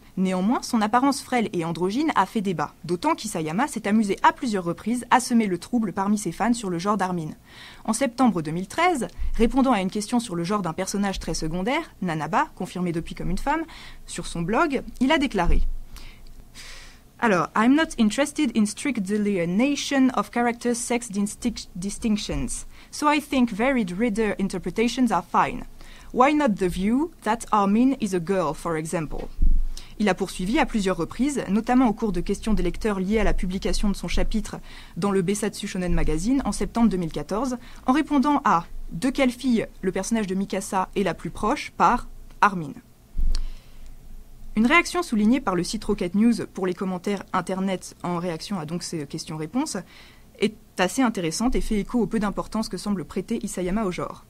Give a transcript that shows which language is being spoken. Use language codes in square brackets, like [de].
[fr] Néanmoins, son apparence frêle et androgyne a fait débat, d'autant qu'Isayama s'est amusé à plusieurs reprises à semer le trouble parmi ses fans sur le genre d'Armin. En septembre 2013, répondant à une question sur le genre d'un personnage très secondaire, Nanaba, confirmé depuis comme une femme, sur son blog, il a déclaré [en] Alors, I'm not interested in strict delineation of character sex distinctions. So I think varied reader interpretations are fine. Why not the view that Armin is a girl, for example? [fr] Il a poursuivi à plusieurs reprises, notamment au cours de questions des lecteurs liées à la publication de son chapitre dans le Besatsu Shonen Magazine en septembre 2014, en répondant à « De quelle fille le personnage de Mikasa est la plus proche ?» par Armin. Une réaction soulignée par le site Rocket News pour les commentaires internet en réaction à donc ces questions-réponses est assez intéressante et fait écho au peu d'importance que semble prêter Isayama au genre.